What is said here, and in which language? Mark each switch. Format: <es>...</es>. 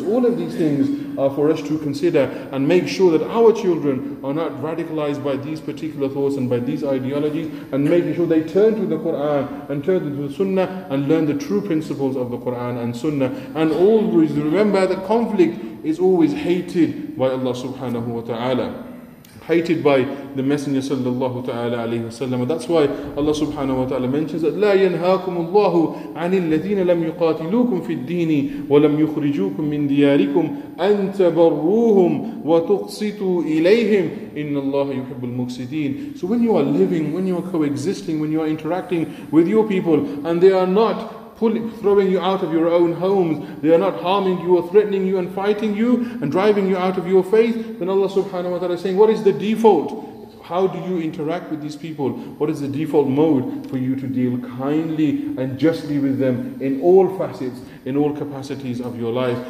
<en>All of these things are for us to consider and make sure that our children are not radicalized by these particular thoughts and by these ideologies, and making sure they turn to the Quran and turn to the Sunnah and learn the true principles of the Quran and Sunnah. And always remember that conflict is always hated by Allah subhanahu wa ta'ala, hated by the Messenger sallallahu ta'ala alayhi wa sallam. That's why Allah subhanahu wa ta'ala mentions that</en> <ar>لا ينهاكم الله عن الذين لم يقاتلوكم في الدين ولم يخرجوكم من دياركم أن تبروهم وتقسطوا إليهم إن الله يحب المقسطين.</ar> <en>So when you are living, when you are coexisting, when you are interacting with your people and they are not throwing you out of your own homes, they are not harming you or threatening you and fighting you and driving you out of your faith, then Allah subhanahu wa ta'ala is saying, what is the default? How do you interact with these people? What is the default mode for you to deal kindly and justly with them in all facets, in all capacities of your life?</en>